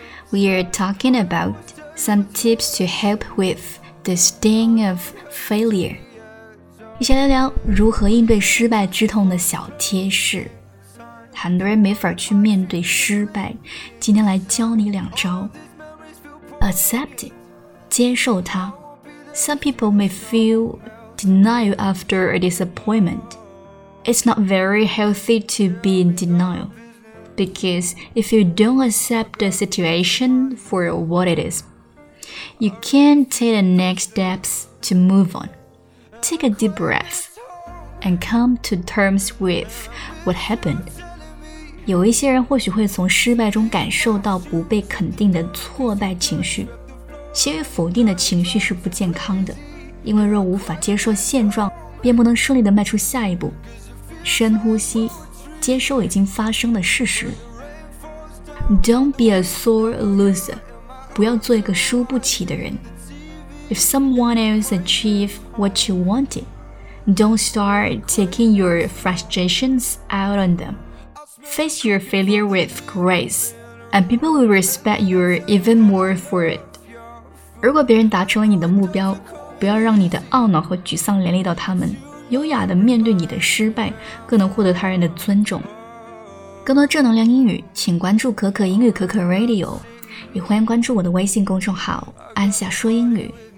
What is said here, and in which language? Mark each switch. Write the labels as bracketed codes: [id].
[en] We are talking about some tips to help with the sting of failure， [zh] 一起聊聊如何应对失败之痛的小贴士。很多人没法去面对失败，今天来教你两招。 [en] Accept it， [zh] 接受它。 [en] Some people may feel denial after a disappointment. It's not very healthy to be in denial, because if you don't accept the situation for what it is, you can't take the next steps to move on. Take a deep breath and come to terms with what happened. [zh] 有一些人或许会从失败中感受到不被肯定的挫败情绪，陷于否定的情绪是不健康的，因为若无法接受现状，便不能顺利地迈出下一步。深呼吸，接受已经发生的事实。 [en] Don't be a sore loser， [zh] 不要做一个输不起的人。 [en] If someone else achieved what you wanted， don't start taking your frustrations out on them。 Face your failure with grace， and people will respect you even more for it。 [zh] 如果别人达成了你的目标，不要让你的懊恼和沮丧连累到他们。优雅地面对你的失败，更能获得他人的尊重。更多正能量英语，请关注可可英语可可 Radio， 也欢迎关注我的微信公众号安夏说英语。